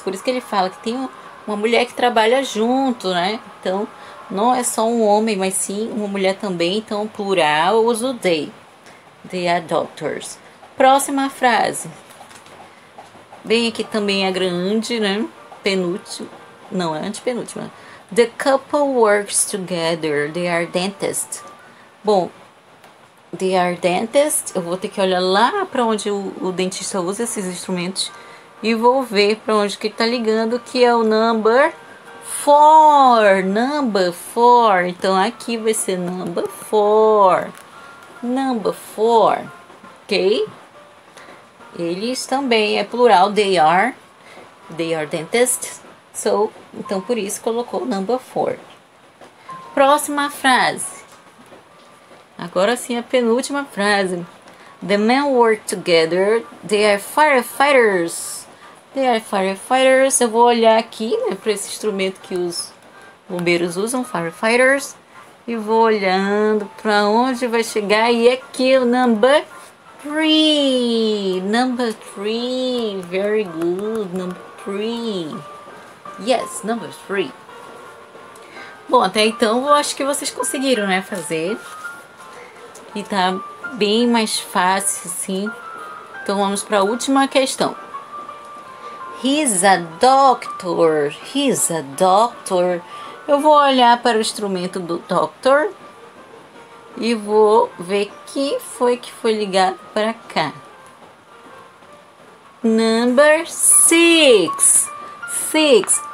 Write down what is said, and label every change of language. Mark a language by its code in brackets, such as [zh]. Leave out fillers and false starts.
[pt] Por isso que ele fala que tem uma mulher que trabalha junto, né? Então não é só um homem, mas sim uma mulher também. Então, plural, eu uso they. [en] They are doctors. [pt] Próxima frase. Bem, aqui também é grande, né? Penúltimo. Não, é antepenúltima. [en] The couple works together. They are dentists. Bom, they are dentists. [pt] Eu vou ter que olhar lá para onde o dentista usa esses instrumentos. E vou ver para onde que ele tá ligando, que é o number four. Number four. Então aqui vai ser number four. Number four. Ok? Eles também é plural, [en] they are dentists, [pt] so, então por isso colocou number four. Próxima frase. Agora sim a penúltima frase. [en] The men work together, they are firefighters. They are firefighters. [pt] Eu vou olhar aqui, né, para esse instrumento que os bombeiros usam, firefighters, e vou olhando para onde vai chegar e aqui o number three, number three, [en] very good, [pt] number three, yes, number three. Bom, até então eu acho que vocês conseguiram, né, fazer. E tá bem mais fácil, sim. Então vamos para a última questão. [en] He's a doctor, he's a doctor. [pt] Eu vou olhar para o instrumento do doctor. E vou ver quem foi que foi ligado para cá. [en] Number 6. 6.